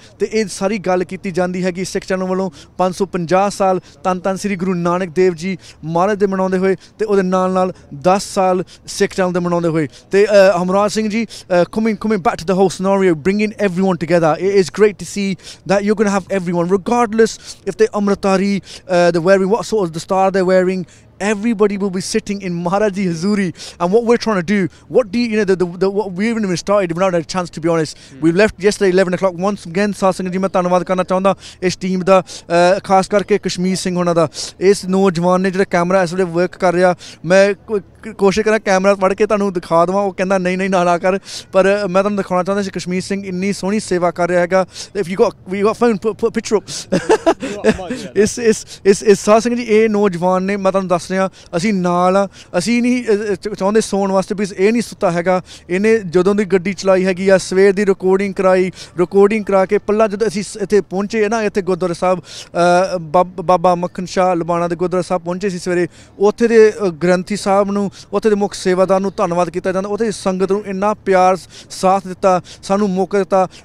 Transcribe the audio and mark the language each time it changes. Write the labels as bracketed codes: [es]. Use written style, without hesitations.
[pa] ਅਤੇ ਇਹ ਸਾਰੀ ਗੱਲ ਕੀਤੀ ਜਾਂਦੀ ਹੈਗੀ ਸਿੱਖ ਚੈਨਲ ਵੱਲੋਂ 550 ਸਾਲ ਤਨ ਤਨ ਸ਼੍ਰੀ ਗੁਰੂ ਨਾਨਕ ਦੇਵ ਜੀ ਮਹਾਰਾਜ ਦੇ ਮਨਾਉਂਦੇ ਹੋਏ, ਅਤੇ ਉਹਦੇ ਨਾਲ ਨਾਲ 10 ਸਾਲ ਸਿੱਖ ਚੈਨਲ ਦੇ ਮਨਾਉਂਦੇ ਹੋਏ। [en] ਅਤੇ Hamraj Singh ji, coming back to the house now, you bring in everyone together, it is great to see that you can have everyone regardless if they Amritdhari they wearing what so the star they wearing, everybody will be sitting in Maharaji Hazuri. And what we're trying to do, what do you know, what we haven't even started, we've not had a chance to be honest. We left yesterday 11 o'clock. Once again, Sasangji, I want to thank this team, especially Kashmir Singh. This young man who is working on the [pa] camera, I'm working on the ਕੋਸ਼ਿਸ਼ ਕਰਾਂ camera ਪੜ੍ਹ ਕੇ ਤੁਹਾਨੂੰ ਦਿਖਾ ਦਵਾਂ ਉਹ ਕਹਿੰਦਾ ਨਹੀਂ ਨਹੀਂ ਨਾ ਕਰ ਪਰ ਮੈਂ ਤੁਹਾਨੂੰ ਦਿਖਾਉਣਾ ਚਾਹੁੰਦਾ ਸੀ ਕਸ਼ਮੀਰ ਸਿੰਘ ਇੰਨੀ ਸੋਹਣੀ ਸੇਵਾ ਕਰ ਰਿਹਾ ਹੈਗਾ [en] if you go picture [pa] ਇਸ ਸਾਧ ਸਿੰਘ ਜੀ ਇਹ ਨੌਜਵਾਨ ਨੇ ਮੈਂ ਤੁਹਾਨੂੰ ਦੱਸ ਰਿਹਾ ਅਸੀਂ ਨਾਲ ਹਾਂ ਅਸੀਂ ਨਹੀਂ ਚਾਹੁੰਦੇ ਸੌਣ ਵਾਸਤੇ ਵੀ ਇਹ ਨਹੀਂ ਸੁੱਤਾ ਹੈਗਾ ਇਹਨੇ ਜਦੋਂ ਦੀ ਗੱਡੀ ਚਲਾਈ ਹੈਗੀ ਆ ਸਵੇਰ ਦੀ ਰਿਕਾਰਡਿੰਗ ਕਰਾਈ ਰਿਕਾਰਡਿੰਗ ਕਰਾ ਕੇ ਪੱਲਾ ਜਦੋਂ ਅਸੀਂ ਇੱਥੇ ਪਹੁੰਚੇ ਨਾ ਇੱਥੇ ਗੁਰਦੁਆਰਾ ਸਾਹਿਬ ਬਾਬਾ ਮੱਖਣ ਸ਼ਾਹ ਲਬਾਣਾ ਦੇ ਗੁਰਦੁਆਰਾ ਸਾਹਿਬ ਪਹੁੰਚੇ ਸੀ ਸਵੇਰੇ ਉੱਥੇ ਦੇ ਗ੍ਰੰਥੀ ਸਾਹਿਬ ਨੂੰ ਉੱਥੇ ਦੇ ਮੁੱਖ ਸੇਵਾਦਾਰ ਨੂੰ ਧੰਨਵਾਦ ਕੀਤਾ ਜਾਂਦਾ ਉੱਥੇ ਸੰਗਤ ਨੂੰ ਇੰਨਾ ਪਿਆਰ ਸਾਥ ਦਿੱਤਾ ਸਾਨੂੰ ਮੌਕਾ ਦਿੱਤਾ